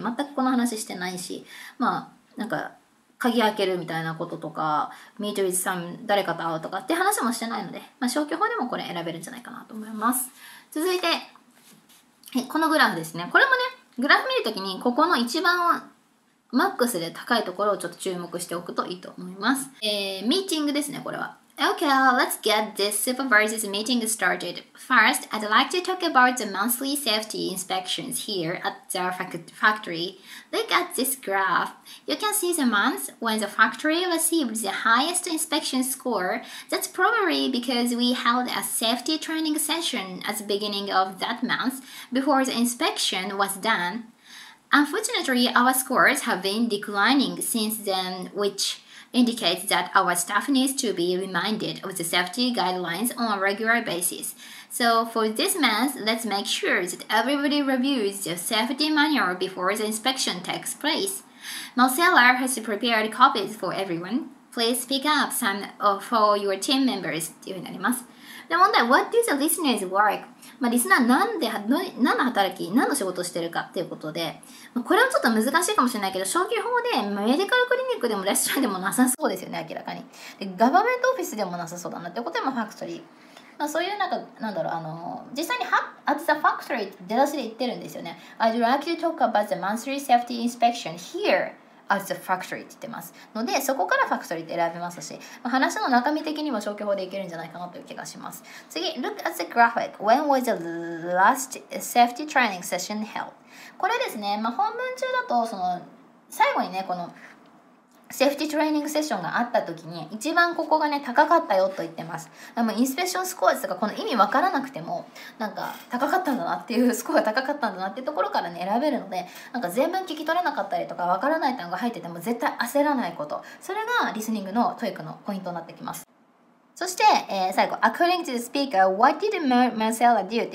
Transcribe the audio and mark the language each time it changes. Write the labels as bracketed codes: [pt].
[ja] 全くこの話してないし、まあ、なんか、鍵開けるみたいなこととか、Meet with some、誰かと会うとかって話もしてないので、まあ、消去法でもこれ選べるんじゃないかなと思います。続いて、このグラフですね。これもね、グラフ見るときに、ここの一番マックスで高いところをちょっと注目しておくといいと思います。ミーティングですね、これは。 [en] Okay, let's get this supervisor's meeting started. First, I'd like to talk about the monthly safety inspections here at the factory. Look at this graph. You can see the month when the factory received the highest inspection score. That's probably because we held a safety training session at the beginning of that month before the inspection was done. Unfortunately, our scores have been declining since then, whichindicates that our staff needs to be reminded of the safety guidelines on a regular basis. So for this month, let's make sure that everybody reviews the safety manual before the inspection takes place. Marcella has prepared copies for everyone. Please pick up some for your team members. [ja] というふうになります。 [en] で、問題、What do the listeners work? [ja] まあ、リスナーなんで、何の働き、何の仕事をしてるかっていうことで、これはちょっと難しいかもしれないけど、消去法でメディカルクリニックでもレストランでもなさそうですよね、明らかに。で、ガバメントオフィスでもなさそうだなっていうことで、まあ、ファクトリー。まあ、そういうなんか、なんだろう、実際に、at the factory って出だしで言ってるんですよね。 [en] I'd like to talk about the monthly safety inspection here. [ja] As the factory って言ってますので、そこからファクトリーって選べますし、話の中身的にも消去法でいけるんじゃないかなという気がします。次、 [en] Look at the graphic. When was the last safety training session held? [ja] これですね、まあ、本文中だとその最後にね、このセーフティートレーニングセッションがあった時に一番ここがね高かったよと言ってます。でもインスペクションスコアとかこの意味わからなくてもなんか高かったんだなっていうスコアが高かったんだなっていうところからね選べるので、なんか全文聞き取れなかったりとかわからない単語が入ってても絶対焦らないこと、それがリスニングのTOEICのポイントになってきます。 [en] そして、最後 According to the speaker, what did Marcella do?